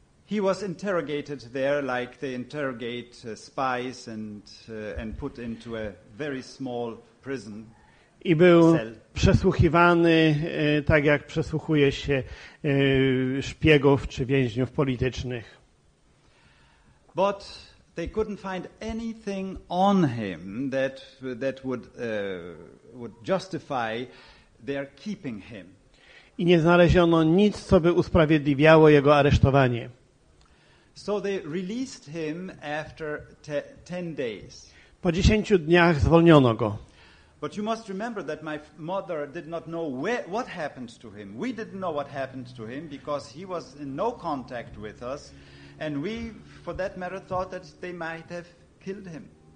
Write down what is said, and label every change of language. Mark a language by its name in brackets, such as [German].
[English] He was interrogated there like they interrogate spies and put into a very small prison. [Polish] I był [English] cell. [Polish] Przesłuchiwany tak jak przesłuchuje się szpiegów czy więźniów politycznych. [English] But they couldn't find anything on him that would justify their keeping him. [Polish] I nie znaleziono nic, co by usprawiedliwiało jego aresztowanie. [English] So they released him after 10 days. [Polish] Po 10 dniach zwolniono go. [English] But you must remember that my mother did not know what happened to him. We didn't know what happened to him because he was in no contact with us and we for that matter thought that they might have killed him.